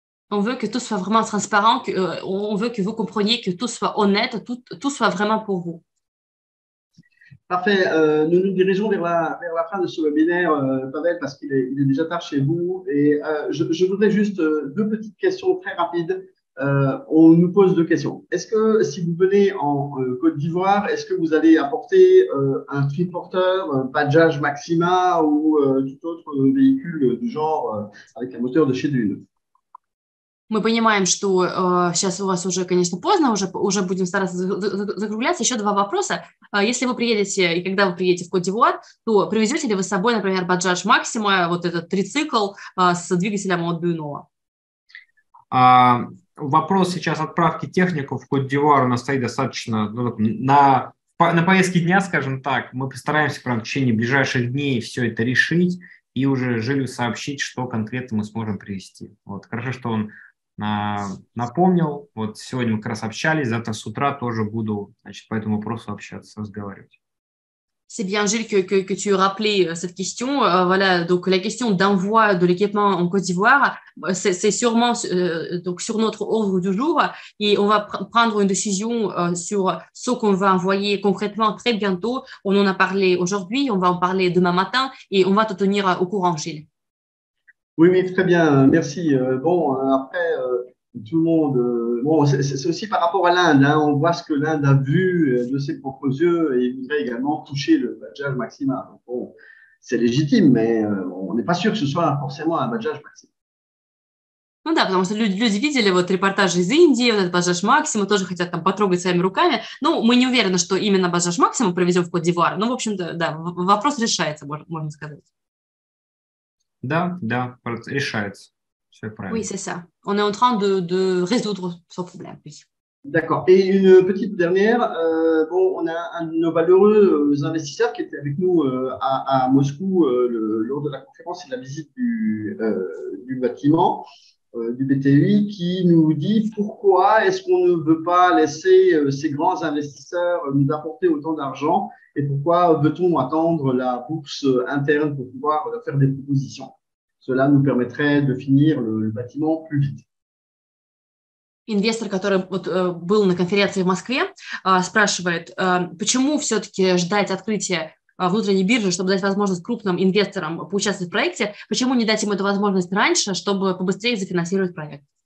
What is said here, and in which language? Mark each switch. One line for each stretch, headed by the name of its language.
French: On veut que tout soit vraiment transparent, on veut que vous compreniez que tout soit honnête, tout soit vraiment pour vous. Parfait. Nous nous dirigeons vers la fin de ce webinaire, Pavel, parce qu'il est déjà tard chez vous. Et je voudrais juste deux petites questions très rapides. On nous pose deux questions. Est-ce que si vous venez en Côte d'Ivoire, est-ce que vous allez apporter un triporteur, un Bajaj Maxima ou tout autre véhicule du genre avec un moteur de chez Dune?
Russian: Мы понимаем, что сейчас у вас уже, конечно, поздно, уже будем стараться закругляться. Еще два вопроса. Если вы приедете, и когда вы приедете в Кот-д'Ивуар, то привезете ли вы с собой, например, Bajaj Maxima, вот этот трицикл с двигателем от Буйнова? Вопрос сейчас отправки техников в Кот-д'Ивуар у нас стоит достаточно... На поездке дня, скажем так, мы постараемся прям в течение ближайших дней все это решить и уже Жилю сообщить, что конкретно мы сможем привезти. Вот, хорошо, что он напомнил. Вот сегодня мы как раз общались, завтра с утра тоже буду, значит, по этому вопросу общаться, разговаривать.
French: C'est bien, Gilles, que tu rappelais cette question. Voilà, donc la question d'envoi de l'équipement en Côte d'Ivoire, c'est sûrement donc sur notre ordre du jour et on va prendre une décision sur ce qu'on va envoyer concrètement très bientôt. On en a parlé aujourd'hui, on va en parler demain matin et on va te tenir au courant, Gilles. Oui, oui, très bien, merci. Bon, après, tout le monde, bon, c'est aussi par rapport à l'Inde, hein. On voit ce que l'Inde a vu de ses propres yeux et voudrait également toucher le badjage maxima. Bon, c'est légitime, mais on n'est pas sûr que ce soit forcément un badjage maxima.
Russian: Ну да, потому что люди видели вот репортаж из Индии, вот этот Баджаж Максима, тоже хотят там потрогать своими руками. Ну, мы не уверены, что именно Баджаж Максима привезем в Кот-д'Ивуар. Ну, в общем-то, да, вопрос решается, можно сказать. Да, да, решается. Все правильно.
French: Oui, c'est ça. On est en train de résoudre ce problème. Oui. D'accord. Et une petite dernière. Bon, on a un de nos valeureux investisseurs qui était avec nous à Moscou lors de la conférence et de la visite du bâtiment. Du BTI qui nous dit pourquoi est-ce qu'on ne veut pas laisser ces grands investisseurs nous apporter autant d'argent et pourquoi veut-on attendre la bourse interne pour pouvoir faire des propositions. Cela nous permettrait de finir le bâtiment plus vite.
Russian: Инвестор, который вот, был на конференции в Москве, спрашивает, почему все-таки ждать открытия внутренней биржи, чтобы дать возможность крупным инвесторам поучаствовать в проекте, почему не дать им эту возможность раньше, чтобы побыстрее зафинансировать проект?